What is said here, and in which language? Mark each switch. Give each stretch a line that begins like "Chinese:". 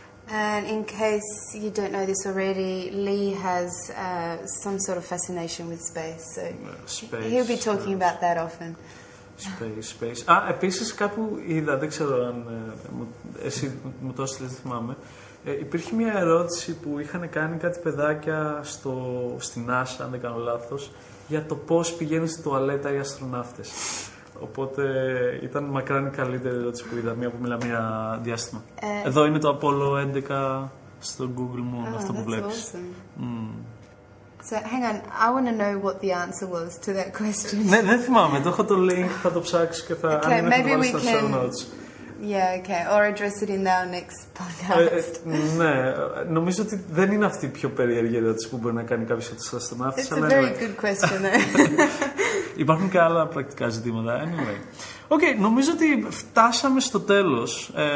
English: And in case you don't know this already, Lee has some sort of fascination with space. So space, he'll be talking about that often. Space.
Greek: Α, επίσης κάπου είδα, δεν ξέρω αν εσύ μου το έστειλες, δεν θυμάμαι. Υπήρχε μια ερώτηση που είχαν κάνει κάτι παιδάκια στη NASA, αν δεν κάνω λάθος, για το πώς πηγαίνουν στη τουαλέτα οι αστροναύτες. Οπότε ήταν μακράν η καλύτερη ερώτηση που είδα, μία που μιλάμε για διάστημα. Εδώ είναι το Apollo 11 στο Google Moon, αυτό που βλέπεις.
English: Awesome. Mm. So hang on, I want to know what the answer was to that question.
Greek: Ναι, δεν θυμάμαι, το έχω το link, θα το ψάξεις και θα βάλεις στα
English: show notes. Yeah, okay. Or address it in our next podcast.
Greek: Ναι, νομίζω ότι δεν είναι αυτή η πιο περίεργη ερώτηση που μπορεί να κάνει κάποιος από τους αστροναύτες.
English: It's a very good question, though.
Greek: Υπάρχουν και άλλα πρακτικά ζητήματα. Anyway. Okay, νομίζω ότι φτάσαμε στο τέλος.